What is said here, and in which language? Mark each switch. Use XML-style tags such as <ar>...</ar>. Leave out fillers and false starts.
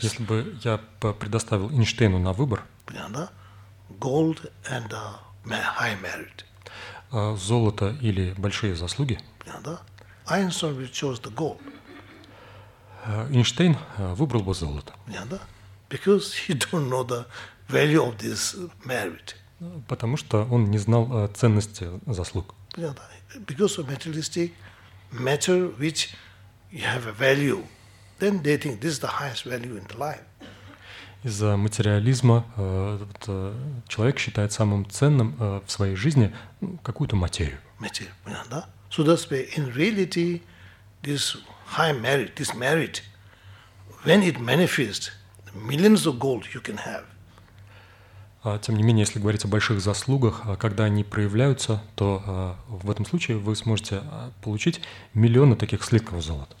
<ru>Если бы я предоставил Эйнштейну на выбор.</ru> <en>Gold and high merit.</en> <ru>Золото или большие заслуги.</ru> <en>Einstein would choose the gold.</en> <ru>Эйнштейн выбрал бы золото.</ru> <en>Because he don't know the value of this merit.</en> <ru>Потому что он не знал ценности заслуг.</ru> <en>Because of materialistic matter which have a value, then they think this is the highest value in the life.</en> <ru>Из-за материализма человек считает самым ценным в своей жизни какую-то материю. Материю, понятно?</ru> <en>So that's why in reality this high merit, this merit, when it manifests, millions of gold you can have.</en> <ru>Тем не менее, если говорить о больших заслугах, когда они проявляются, то в этом случае вы сможете получить миллионы таких слитков золота.</ru>